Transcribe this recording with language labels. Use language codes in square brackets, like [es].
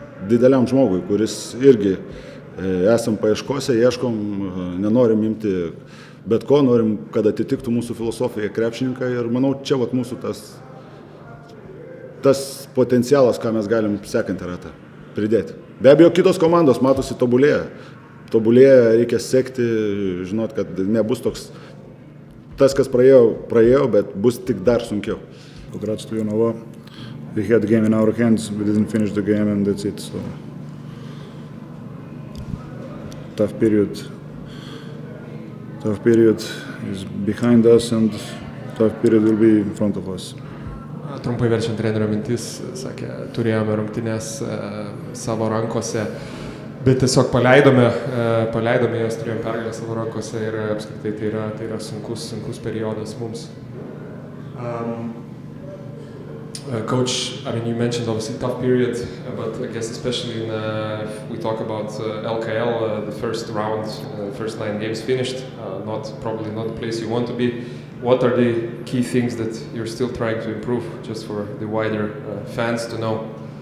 [lt] dideliam žmogui, kuris irgi esam paieškose, ieškom, nenorim imti bet ko, norim, kad atitiktų mūsų filosofiją krepšininką ir manau, čia vat mūsų tas potencialas, ką mes galim sekantį ratą pridėti. Be abejo, kitos komandos matosi tobulėja, reikia sekti, žinot, kad nebus toks tas, kas praėjo, bet bus tik dar sunkiau. [en] Congrats to Jonava. We had the game in our hands, we didn't finish the game and that's it, so tough period is behind us and tough period will be in front of us. [lt] Trumpai verčiant trenerio mintis, sakė, turėjome rungtynes savo rankose, Bet tiesiog paleidome jas, turėjom pergalę savo rankose ir apskritai tai yra sunkus periodas mums. [en] Coach, I mean, you mentioned obviously tough period, but I guess especially in we talk about LKL, the first round, first 9 games finished, not the place you want to be. What are the key things that you're still trying to improve, just for the wider fans to know?